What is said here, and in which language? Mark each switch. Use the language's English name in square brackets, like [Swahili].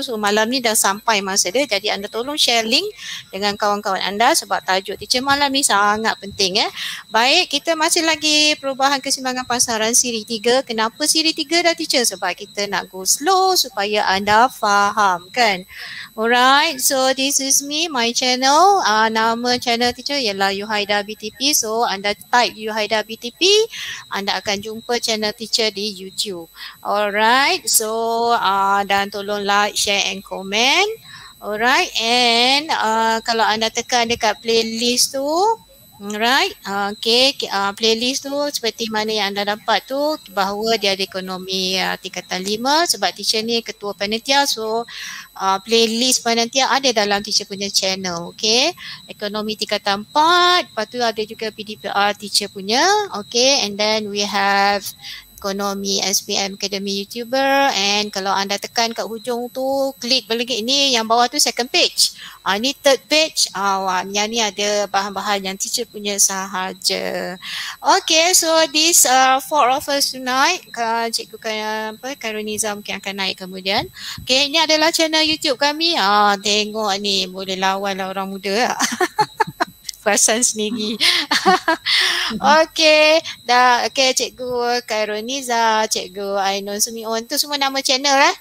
[Malay] So malam ni dah sampai masa dia, jadi anda tolong share link dengan kawan-kawan anda sebab tajuk teacher malam ni sangat penting ya. Baik, kita masih lagi Perubahan Keseimbangan Pasaran Siri 3. Kenapa Siri 3 dah teacher? Sebab kita nak [English] go slow [Malay] supaya anda faham kan. [English] Alright, so this is me, my channel. [Malay] Nama channel teacher ialah Yuhaida BTP. So anda type Yuhaida BTP, anda akan jumpa channel teacher di YouTube. [English] Alright, so [Malay] dan tolong [English] like, share and comment. [Malay] Alright, and kalau anda tekan dekat playlist tu, alright, playlist tu seperti mana yang anda dapat tu, bahawa dia ada ekonomi tingkatan 5 sebab teacher ni ketua panitia. So playlist panitia ada dalam teacher punya channel, okay. Ekonomi tingkatan 4, lepas tu ada juga PDPR teacher punya, okay. [English] And then we have Ekonomi SPM Academy YouTuber. [Malay] And kalau anda tekan kat hujung tu, klik belakang ni, yang bawah tu [English] second page. [Malay] Ni [English] third page. [Malay] Yang ni ada bahan-bahan yang teacher punya sahaja. [English] Okay, so this four of us tonight. [Malay] Cikgu Karuniza mungkin akan naik kemudian. Okay, ini adalah channel YouTube kami. Tengok ni, boleh lawan lah orang muda. Perasan sendiri. Okay. Dah, okay, Cikgu Khairul Niza, Cikgu Ainun Sumion. Itu semua nama channel eh.